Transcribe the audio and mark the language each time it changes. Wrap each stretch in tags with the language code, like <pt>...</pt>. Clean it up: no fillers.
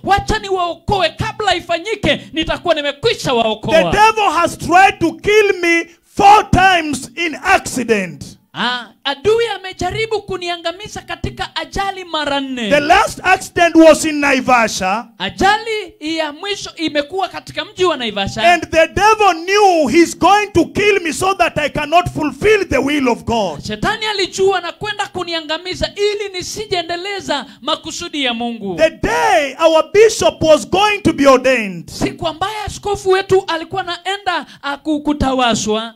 <sw>Wacha ni waokoe kabla ifanyike nitakuwa nimekwisha waokoa.</sw> <en>The devil has tried to kill me 4 times in accident.</en> <sw>Adui amejaribu kuniangamiza katika ajali mara 4.</sw> <en>The last accident was in Naivasha.</en> <sw>Ajali ya mwisho imekuwa katika mji wa Naivasha.</sw> <en>And the devil knew he's going to kill me so that I cannot fulfill the will of God.</en> <sw>Shetani alijua na kwenda kuniangamiza ili nisijeendeleza makusudi ya Mungu.</sw> <en>The day our bishop was going to be ordained.</en> <sw>Siku ambayo askofu wetu alikuwa naenda kutawazwa.</sw>